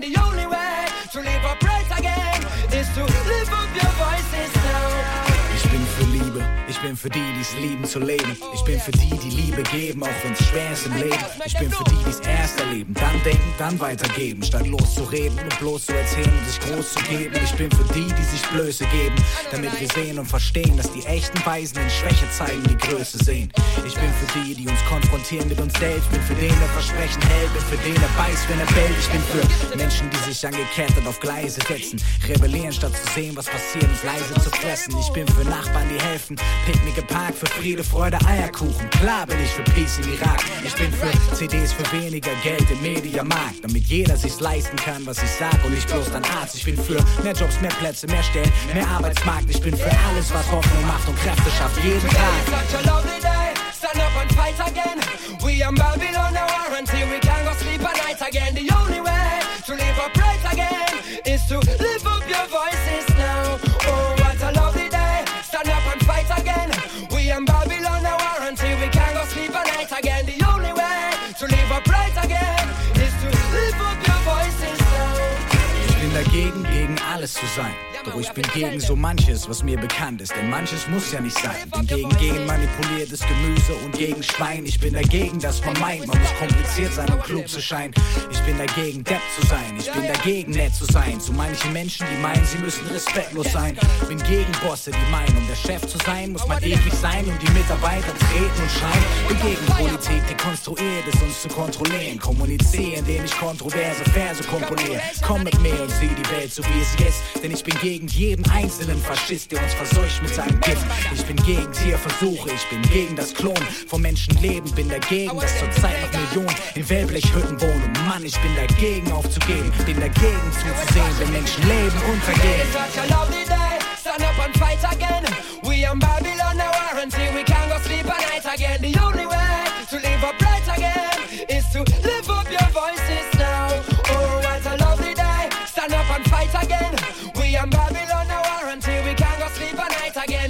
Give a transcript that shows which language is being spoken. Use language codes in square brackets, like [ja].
[en] The only way to live upright again is to lift up your voices now. [de] Ich bin für Liebe. ich bin für die, die's lieben zu leben. Ich bin für die, die Liebe geben, auch wenn's schwer ist im Leben. Ich bin für die, die's erst erleben, dann denken, dann weitergeben. Statt loszureden und bloß zu erzählen und sich groß zu geben. Ich bin für die, die sich Blöße geben, damit wir sehen und verstehen, dass die echten Weisen in Schwäche zeigen, die Größe sehen. Ich bin für die, die uns konfrontieren mit uns selbst. Bin für den, der Versprechen hält, bin für den, der beißt, wenn er bellt. Ich bin für Menschen, die sich angekettet auf Gleise setzen, rebellieren, statt zu sehen, was passiert, uns leise zu fressen. Ich bin für Nachbarn, die helfen, Picknick im Park, für Friede, Freude, Eierkuchen. Klar bin ich für Peace im Irak. Ich bin für CDs für weniger Geld im Mediamarkt, damit jeder sich's leisten kann, was ich sag, und nicht bloß dein Arzt. Ich bin für mehr Jobs, mehr Plätze, mehr Stellen, mehr Arbeitsmarkt. Ich bin für alles, was Hoffnung macht und Kräfte schafft, jeden Tag. [en] It's such a lovely day, stand up and fight again. We are Babylon, our warranty, we can go sleep at night again. The only way to live upright again is to lift up your voices now. Oh, what a lovely day, stand up and fight again. We are Babylon, our warranty, we can go sleep at night again. The only way to live upright again is to lift up your voices now. [de] Ich bin dagegen, gegen alles zu sein. Doch ich bin gegen so manches, was mir bekannt ist. Denn manches muss ja nicht sein. Bin gegen manipuliertes Gemüse und gegen Schwein. Ich bin dagegen, dass man meint, man muss kompliziert sein, um klug zu scheinen. Ich bin dagegen, Depp zu sein. Ich bin dagegen, nett zu sein. Zu manchen Menschen, die meinen, sie müssen respektlos sein. Bin gegen Bosse, die meinen, um der Chef zu sein, muss man eklig sein, um die Mitarbeiter treten und schreien. Bin gegen Politik, die konstruiert ist, uns zu kontrollieren. Kommuniziere, indem ich kontroverse Verse komponiere. Komm mit mir und sieh die Welt, so wie es ist. Denn ich bin gegen jeden einzelnen Faschist, der uns verseucht mit seinem Gift. Ich bin gegen Tierversuche, ich bin gegen das Klonen von Menschenleben. Bin dagegen, dass zurzeit noch Millionen in Wellblechhütten wohnen. Mann, ich bin dagegen aufzugeben. Bin dagegen zuzusehen, wenn Menschen leben und vergehen. [en] It's such a lovely day, stand up and fight again. We are Babylon, our warranty, we can go sleep at night again. The only way to live up right again is to live up your voices now. Oh, what a lovely day, stand up and fight again. I'm Babylon, no warranty, we can't go sleep at night again.